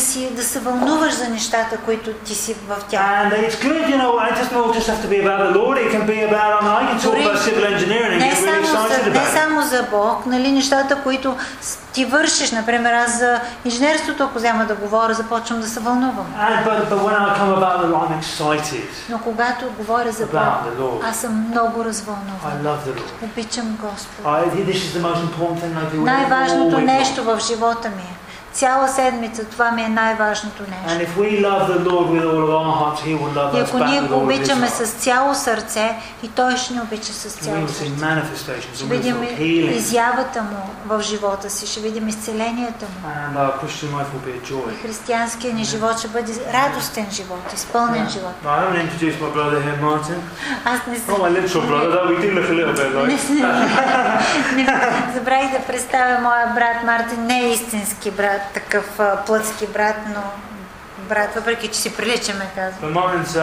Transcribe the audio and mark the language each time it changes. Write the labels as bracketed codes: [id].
[bg] Да се вълнуваш за нещата, които ти си в тях. [en] And it's good, you know, it doesn't all just have to be about the Lord. It can be about, I mean, I can talk about civil engineering and get really excited about it. [bg] Не само за Бог, нали, нещата, които ти вършиш, например, аз за инженерството, ако взема да говоря, започвам да се вълнувам. [en] But when I come about the Lord, I'm excited. [bg] Но когато говоря за Бог, аз съм много развълнуван. [en] I love the Lord. [bg] Обичам Господ. [en] This is the most important thing I do. [bg] Най-важното нещо в живота ми. Цяла седмица това ми е най-важното нещо. [en] And if we love the Lord with all of our hearts, He will love us back. [bg] Ако ние го обичаме с цяло сърце, и Той ще ни обича с цяло сърце. [en] We'll see manifestations, [bg] ще видим изявата му в живота си, ще видим изцеленията му. [en] And our Christian life will be a joy. [bg] Християнският ни живот ще бъде радостен живот, изпълнен живот. [en] I haven't introduced my brother here, Martin. [bg] Аз не съм. [en] Oh, my literal brother, that we did look a little bit like. [bg] Забравих да представя моя брат Мартин, не истински брат. Такъв плътски брат, но брат, въпреки че си приличаме, казвам.